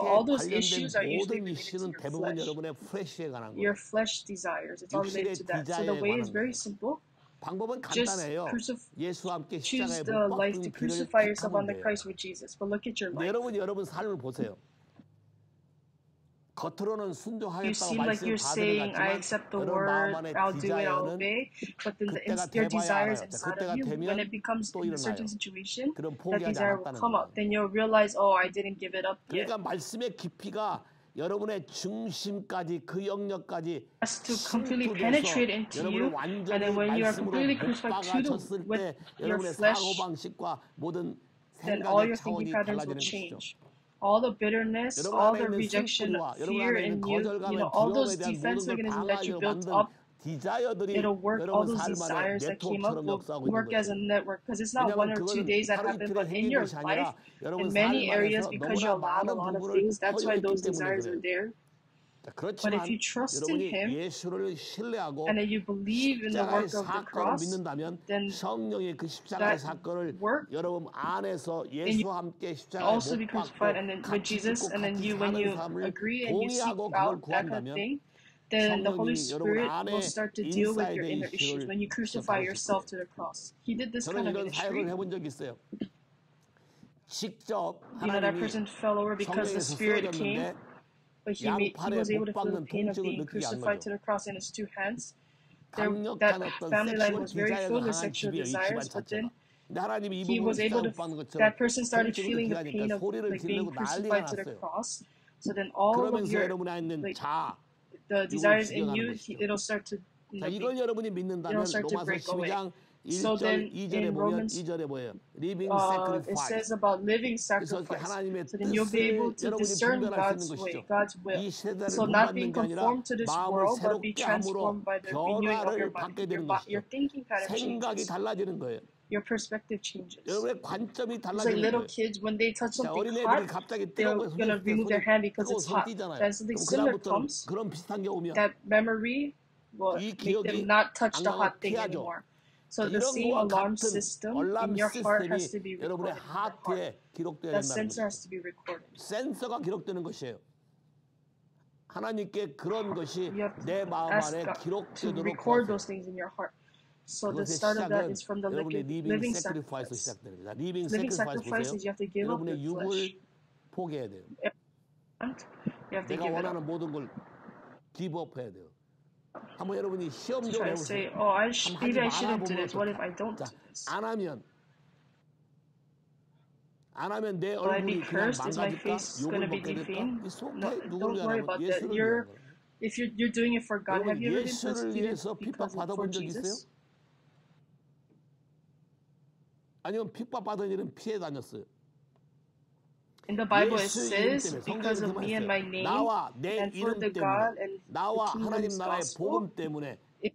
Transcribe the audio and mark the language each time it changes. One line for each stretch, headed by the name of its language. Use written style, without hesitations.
English: All those issues are usually related to your flesh. Your flesh desires. It's all related to that. So the way is very simple.
Korean: 방법은 간단해요. 예수와 함께 십자가에 못 박힌 길을 택하면 돼요. 여러분 삶을 보세요. 겉으로는 순종하겠다고 말씀하시는 것 같지만 여러분 마음 안에 디자이어는 그때가 되면 또 일어나요. 그럼 포기하지 않았다는 거예요. 그러니까 말씀의 깊이가 여러분의 중심까지 그 영역까지 여러분을 완전히 말씀으로 박아줬을 때 여러분의 사고방식과 모든 생각의 차원이 달라지는 것이죠.
English: All the bitterness, all the rejection, fear in you, you know, all those defense mechanisms that you built up, it'll work, all those desires that came up will work as a network. Because it's not one or two days that happen, but in your life, in many areas, because you allow a lot of things, that's why those desires are there.
Korean: 자, 그렇지만
English: But if you trust in him,
Korean: 예수를 신뢰하고
English: and you believe in the work of the cross,
Korean: 십자가의 믿는다면 성령의 그 십자가의 사건을 여러분 안에서 예수와 함께 십자가에 못 박고 같이 죽고 같이 사는 삶을 동의하고 그걸 구한다면
English: then the Holy Spirit will start to deal with your inner issues when you crucify yourself to the cross. He did this kind of ministry.
Korean: 직접 하나님이 성령에 쓰여졌는데
English: But he was able to feel the pain of being crucified to the cross in his two hands. There, that family line was very full of sexual desires, but then he was able to, that person started feeling the pain of like, being crucified to the cross. So then all of your, like, the desires in you, it'll start to, you know, it'll start to break away. So then in Romans, it says about living sacrifice. So then you'll be able to discern God's way, God's will. So not being conformed to this world, but be transformed by the renewing of your mind. Your thinking kind of changes. Your perspective changes. It's like little kids, when they touch something hot, they're going to remove their hand because it's hot. Then something similar comes, that memory will make them not touch the hot thing anymore. So the same alarm system in your heart has to be recorded. That sensor has to be recorded.
Korean: 센서가 기록되는 것이에요. 하나님께 그런 것이 내 마음 안에 기록되도록
English: to record those things in your heart. So the start of that is from the living sacrifice. Living sacrifice is you have to give up your flesh.
Korean: 포기해야 돼요.
English: You have to give up.
Korean: 모든 걸
English: give up
Korean: 해야 돼요. 한번 여러분이 시험 좀 해보세요.
English: Say, oh, I sh- maybe I shouldn't do this. What if I don't?
Korean: 자, 안 하면 내 얼굴이
English: Will I be cursed? Is my face going to be defamed? No, don't worry about that. If you're doing it for God, have you ever been persecuted because of Jesus?
Korean: 아니면 핍박 받은 일은 피해 다녔어요.
English: In the Bible, it says, because of me and my name, and for the God and the kingdom's gospel, if